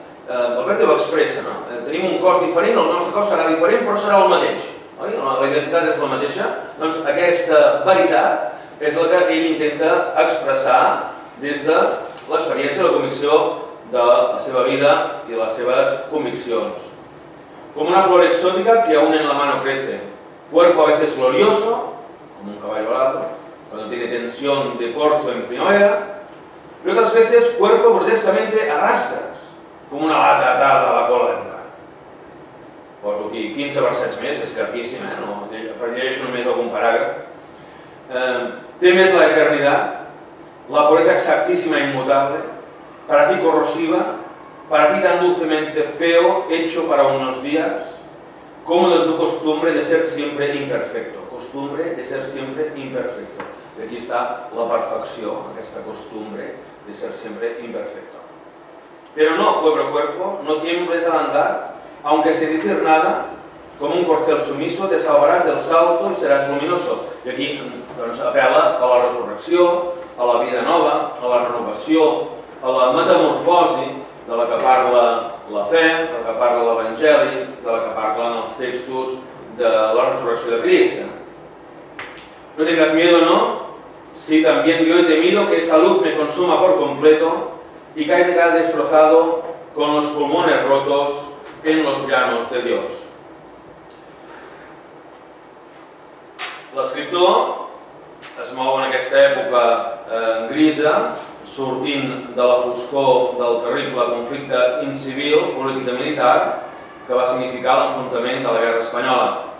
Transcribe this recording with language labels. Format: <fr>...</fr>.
<ca>Valverde ho expressa, no? Tenim un cos diferent, el nostre cos serà diferent, però serà el mateix. Oi? La identitat és la mateixa. Doncs aquesta veritat és la que ell intenta expressar des de l'experiència i la convicció de la seva vida i les seves conviccions.</ca> <es>Com una flor exòtica que aún en la mano crece. Cuerpo a veces glorioso, como un caballo alado, cuando tiene tensión de corzo en primavera, y otras veces cuerpo grotescamente arrastras, como una lata atada a la cola de un can.</es> <ca>Poso aquí 15 versets més, és llarguíssim, eh? No, per llegir només algun paràgraf.</ca> <es>Té més la eternidad, la pureza exactísima e inmutable, para ti corrosiva, para ti tan dulcemente feo, hecho para unos días, como de tu costumbre de ser siempre imperfecto. Costumbre de ser siempre imperfecto. Y aquí está la perfección, esta costumbre de ser siempre imperfecto. Pero no, pobre cuerpo, no tiembles al andar, aunque sin decir nada, como un corcel sumiso, te salvarás del salto y serás luminoso. Y aquí pues, apela a la resurrección, a la vida nova, a la renovación,</es> <ca>a la metamorfosi, de la que parla la fe, de la que parla l'Evangeli, de la que parlen els textos de la resurrecció de Crist.</ca> <es>No tengas miedo, no, si también yo he temido que esa luz me consuma por completo y caiga destrozado con los pulmones rotos en los llanos de Dios.</es> <ca>L'escriptor es mou en aquesta època grisa, sortint de la foscor del terrible conflicte incivil, política-militar, que va significar l'enfrontament de la Guerra Espanyola.</ca>